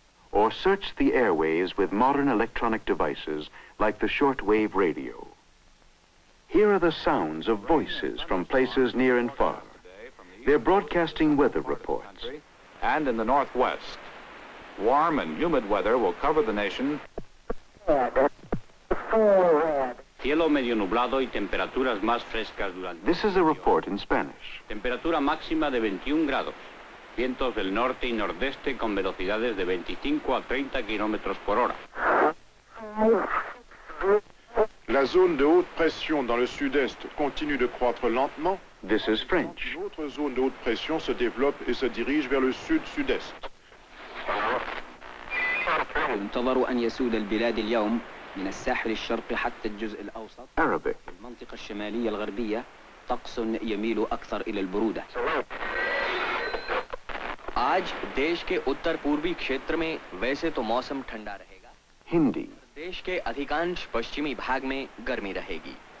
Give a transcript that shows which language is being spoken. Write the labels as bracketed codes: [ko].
[en] Or search the airways with modern electronic devices like the shortwave radio. Here are the sounds of voices from places near and far. They're broadcasting weather reports. And in the Northwest, warm and humid weather will cover the nation. [es] Cielo medio nublado y temperaturas más frescas durante. [en] This is a report in Spanish. [es] Temperatura máxima de 21 grados. Vientos del norte y nordeste con velocidades de 25 a 30 kilómetros por hora. [fr] La zone de haute pression dans le sud-est continue de croître lentement. [en] This is French. [fr] D'autres zones de haute pression se développent et se dirigent vers le sud-sud-est. [ar] ينتظر أن يسود البلاد اليوم من الساحل الشرقي حتى الجزء الأوسط. [en] Arabic. [ar] المنطقة الشمالية الغربية طقس يميل أكثر إلى البرودة. [hi] आज देश के उत्तर पूर्वी क्षेत्र में वैसे तो मौसम ठंडा रहेगा. [en] Hindi. [hi] देश के अधिकांश पश्चिमी भाग में गर्मी रहेगी.